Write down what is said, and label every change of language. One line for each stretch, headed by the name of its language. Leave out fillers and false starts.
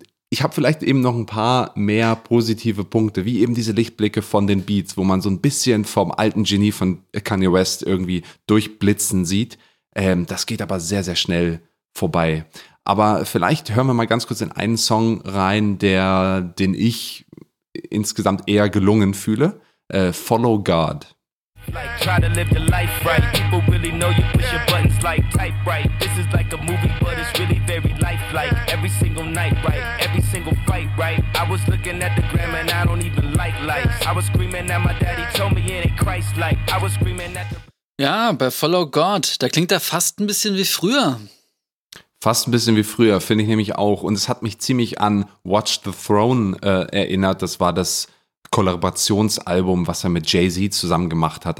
German: Ich habe vielleicht eben noch ein paar mehr positive Punkte, wie eben diese Lichtblicke von den Beats, wo man so ein bisschen vom alten Genie von Kanye West irgendwie durchblitzen sieht. Das geht aber sehr, sehr schnell vorbei. Aber vielleicht hören wir mal ganz kurz in einen Song rein, den ich insgesamt eher gelungen fühle.
English: Follow God. Like, try to live the life right. People really know you push your buttons like type right. This is like a movie, but it's really very lifelike. Every single night, right? Every single fight, right? I was looking at the gram and I don't even like lights. I was screaming at my daddy, told me it ain't Christ-like. I was screaming at the.
German: Ja, bei Follow God, da klingt er fast ein bisschen wie früher. Fast ein bisschen wie früher, finde ich nämlich auch. Und es hat mich ziemlich an Watch the Throne erinnert. Das war das Kollaborationsalbum, was er mit Jay-Z zusammen gemacht hat.